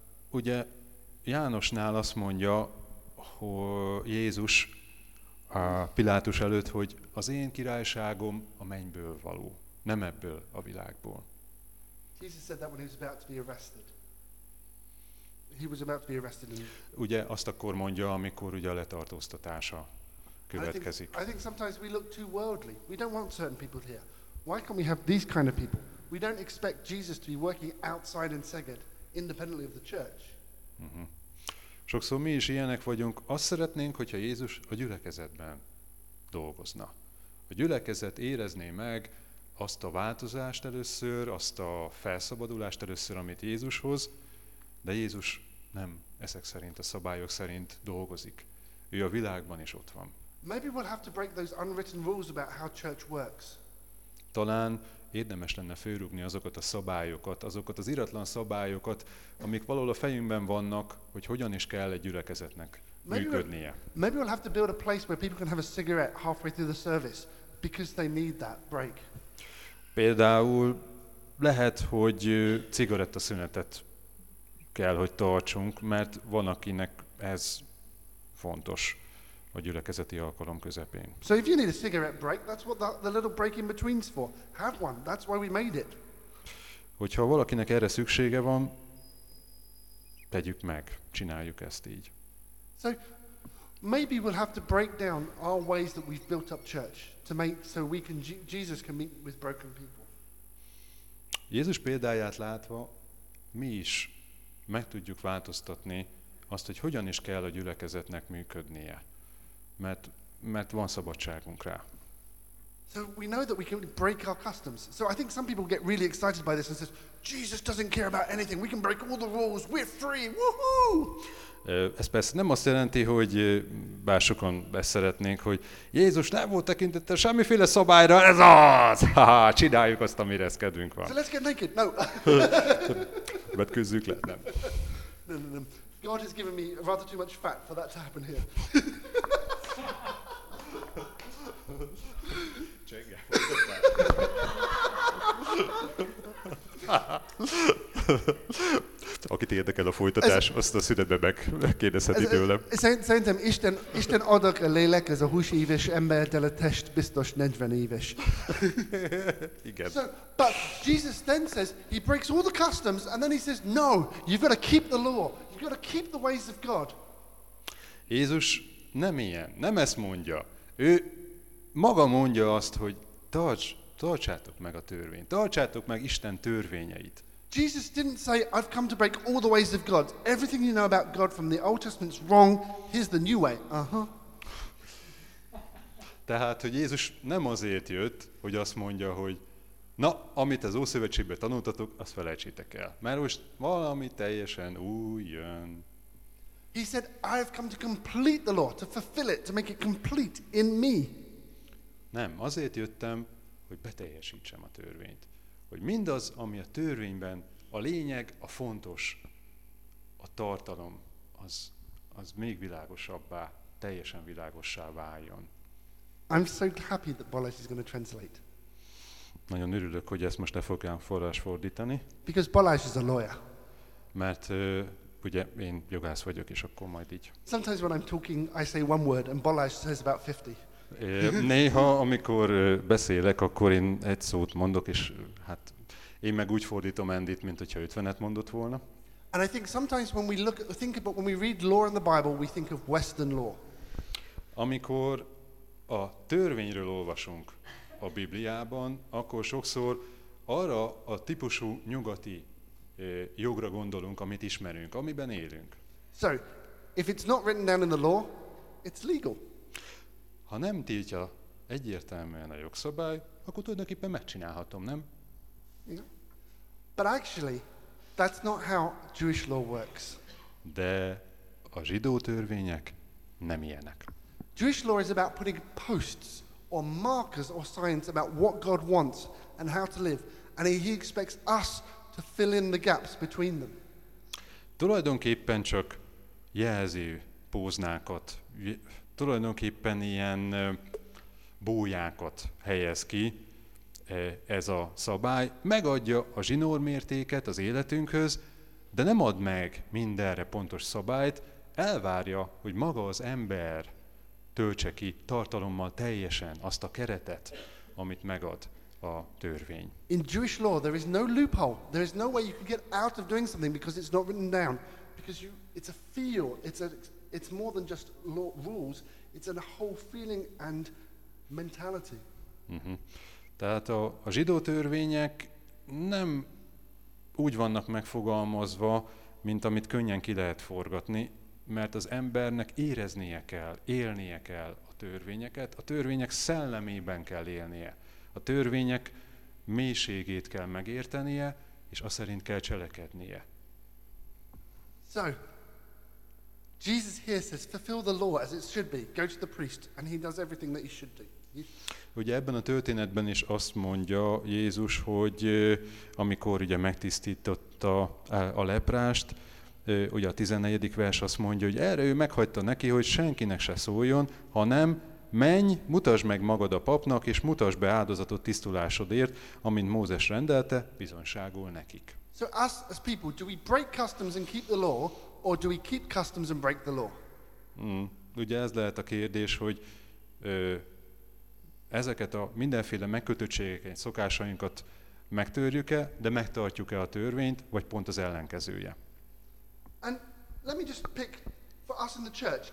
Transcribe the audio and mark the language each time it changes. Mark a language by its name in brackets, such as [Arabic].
[Hungarian] Ugye Jánosnál azt mondja, hogy Jézus a Pilátus előtt, hogy az én királyságom a mennyből való, nem ebből a világból. [English] Jesus said that when he was about to be arrested. He was about to be arrested. [Hungarian] Ugye azt akkor mondja, amikor ugye a letartóztatása következik. [English] I think sometimes we look too worldly. We don't want certain people here. Why can't we have these kind of people? We don't expect Jesus to be working outside in Szeged, independently of the church. [Hungarian] Sokszor mi is ilyenek vagyunk. Azt szeretnénk, hogyha Jézus a gyülekezetben dolgozna. A gyülekezet érezné meg azt a változást először, azt a felszabadulást először, amit Jézus hoz, de Jézus nem ezek szerint, a szabályok szerint dolgozik. Ő a világban is ott van. [English] Maybe we'll have to break those unwritten rules about how church works. [Hungarian] Talán érdemes lenne fölrúgni azokat a szabályokat, azokat az iratlan szabályokat, amik valahol a fejünkben vannak, hogy hogyan is kell egy gyülekezetnek működnie. [English] Maybe we'll have to build a place where people can have a cigarette halfway through the service because they need that break. [Hungarian] Például lehet, hogy cigarettaszünetet kell, hogy tartsunk, mert van, akinek ez fontos. a gyülekezeti alkalom közepén. [English] So if you need a cigarette break, that's what the little break in between's for. Have one. That's why we made it. [Hungarian] Hogyha valakinek erre szüksége van, tegyük meg, csináljuk ezt így. [English] So maybe we'll have to break down our ways that we've built up church to make so we can Jesus can meet with broken people. [Hungarian] Jézus példáját látva mi is meg tudjuk változtatni azt, hogy hogyan is kell a gyülekezetnek működnie, mert van szabadságunk rá. [English] So we know that we can break our customs. So I think some people get really excited by this and says, Jesus doesn't care about anything. We can break all the rules. We're free. Woohoo! [Hungarian] Ez persze nem azt jelenti, hogy bár sokan ezt szeretnénk, hogy Jézus nem volt tekintette semmiféle szabályra, ez az! Csináljuk azt, amire ez kedvünk van. [English] So let's get naked, no. [Hungarian] Betkőzzük le, nem. [English] No. God has given me rather too much fat for that to happen here. [Hungarian] Csengel. Akit érdekel a folytatás, azt a szünetben megkérdezheti tőlem. Szerintem Isten adok a lélek, ez a 20 éves embertel a test biztos 40 éves. Igen. [English] So, but Jesus then says, he breaks all the customs, and then he says, no, you've got to keep the law. You've got to keep the ways of God. [Hungarian] Jézus nem ilyen, nem ezt mondja. Ő maga mondja azt, hogy tartsátok meg a törvényt, tartsátok meg Isten törvényeit. [English] Jesus didn't say, I've come to break all the ways of God. Everything you know about God from the Old Testament is wrong. Here's the new way. [Hungarian] Tehát, hogy Jézus nem azért jött, hogy azt mondja, hogy na, amit az Ószövetségben tanultatok, azt felejtsétek el. Mert most valami teljesen új jön. [English] He said, I've come to complete the law, to fulfill it, to make it complete in me. [Hungarian] Nem, azért jöttem, hogy beteljesítsem a törvényt. Hogy mindaz, ami a törvényben a lényeg, a fontos, a tartalom, az még világosabbá, teljesen világossá váljon. [English] I'm so happy that Balázs is going to translate. [Hungarian] Nagyon örülök, hogy ezt most ne fogjam forrás fordítani. [English] Because Balázs is a lawyer. [Hungarian] Mert ugye én jogász vagyok, és akkor majd így. [English] Sometimes when I'm talking, I say one word, and Balázs says about 50. [Hungarian] Néha, amikor beszélek, akkor én egy szót mondok, és hát én meg úgy fordítom Andyt, mint hogyha 50-et mondott volna. [English] And I think sometimes when we when we read law in the Bible, we think of Western law. [Hungarian] Amikor a törvényről olvasunk a Bibliában, akkor sokszor arra a típusú nyugati jogra gondolunk, amit ismerünk, amiben élünk. [English] So, if it's not written down in the law, it's legal. [Hungarian] Ha nem tiltja egyértelműen a jogszabály, akkor tulajdonképpen megcsinálhatom, nem? [English] But actually, that's not how Jewish law works. [Hungarian] De a zsidó törvények nem ilyenek. [English] Jewish law is about putting posts or markers or signs about what God wants and how to live, and he expects us to fill in the gaps between them. [Hungarian] Tulajdonképpen csak jelző póznákat, tulajdonképpen ilyen bójákat helyez ki ez a szabály. Megadja a zsinór mértéket az életünkhöz, de nem ad meg mindenre pontos szabályt, elvárja, hogy maga az ember töltse ki tartalommal teljesen azt a keretet, amit megad a törvény. [English] In Jewish law there is no loophole. There is no way you can get out of doing something because it's not written down. Because it's a feel, it's more than just law, rules, it's a whole feeling and mentality. Uh-huh. [Hungarian] Tehát a zsidó törvények nem úgy vannak megfogalmazva, mint amit könnyen ki lehet forgatni, mert az embernek éreznie kell, élnie kell a törvényeket, a törvények szellemében kell élnie, a törvények mélységét kell megértenie, és aszerint kell cselekednie. [English] So, Jesus here says, fulfill the law as it should be. Go to the priest, and he does everything that he should do. [Hungarian] Ugye ebben a történetben is azt mondja Jézus, hogy amikor ugye megtisztította a leprást, ugye a 14. vers azt mondja, hogy erre ő meghagyta neki, hogy senkinek se szóljon, hanem menj, mutasd meg magad a papnak, és mutasd be áldozatot tisztulásodért, amint Mózes rendelte, bizonságul nekik. [English] So us as people, do we break customs and keep the law, or do we keep customs and break the law? [Hungarian] ugye ez lehet a kérdés, hogy ezeket a mindenféle megkötöttségeket, szokásainkat megtörjük-e, de megtartjuk-e a törvényt, vagy pont az ellenkezője. [English] And let me just pick for us in the church.